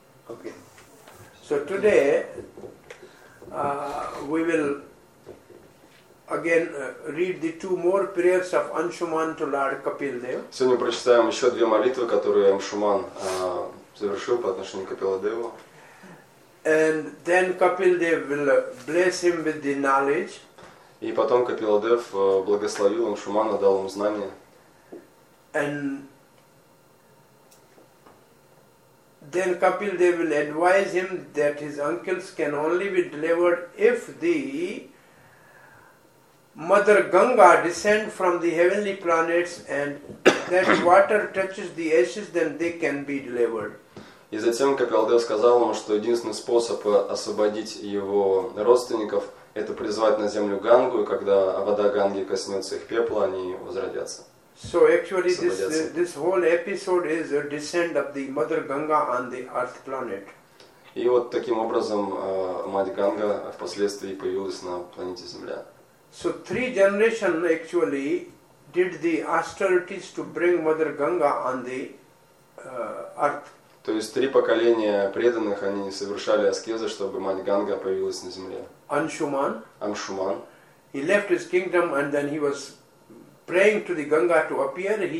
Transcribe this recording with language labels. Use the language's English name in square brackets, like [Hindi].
[English] okay, so today we will again read the two more prayers of Anshuman to Lord Kapildev. [Russian] Сегодня прочитаем еще две молитвы, которые Амшуман завершил по отношению к Капиладеву. [English] And then Kapildev will bless him with the knowledge. [Russian] И потом Капиладев благословил им Шумана, дал им знания. [English] And then Kapildev will advise him that his uncles can only be delivered if the Mother Ganga descend from the heavenly planets and that water touches the ashes, then they can be delivered. [Russian] И затем Капиладев сказал ему, что единственный способ освободить его родственников – это призвать на землю Гангу, и когда вода Ганги коснется их пепла, они возродятся. [English] So actually, this whole episode is a descent of the Mother Ganga on the Earth planet. [Russian] И вот таким образом мать Ганга впоследствии появилась на планете Земля. [English] So three generations actually did the austerities to bring Mother Ganga on the Earth. [Russian] То есть три поколения преданных они совершали аскезы, чтобы мать Ганга появилась на земле. Аншуман. Аншуман. [English] He left his kingdom and then he was praying to the Ganga to appear.